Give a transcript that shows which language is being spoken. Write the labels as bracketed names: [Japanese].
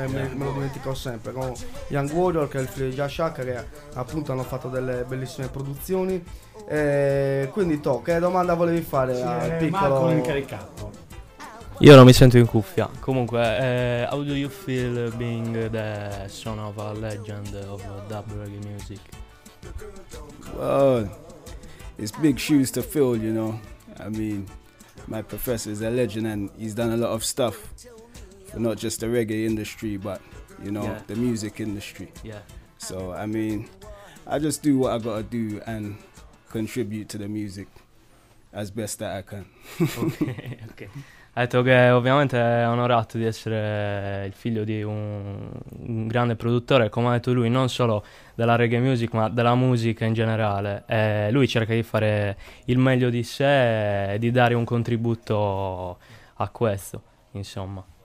[Italian] me lo dimentico sempre, con Young Warrior, che è il figlio di Jah Shaka, che appunto hanno fatto delle bellissime produzioni. Quindi to, che domanda volevi fare al piccolo Marco incaricato? Io non mi sento in cuffia. [English] Comunque, how do you feel being the son of a legend of dub reggae music? Well, it's big shoes to fill, you know. I mean, my professor is a legend and he's done a lot of stuff for not just the reggae industry, but you know, the music industry. Yeah. So I mean, I just do what I gotta do and contribute to the music as best that I can. Okay. [Italian] Ha detto che ovviamente è onorato di essere il figlio di un grande produttore, come ha detto lui, non solo della reggae music ma della musica in generale. Lui cerca di fare il meglio di sé e di dare un contributo a questo, insomma.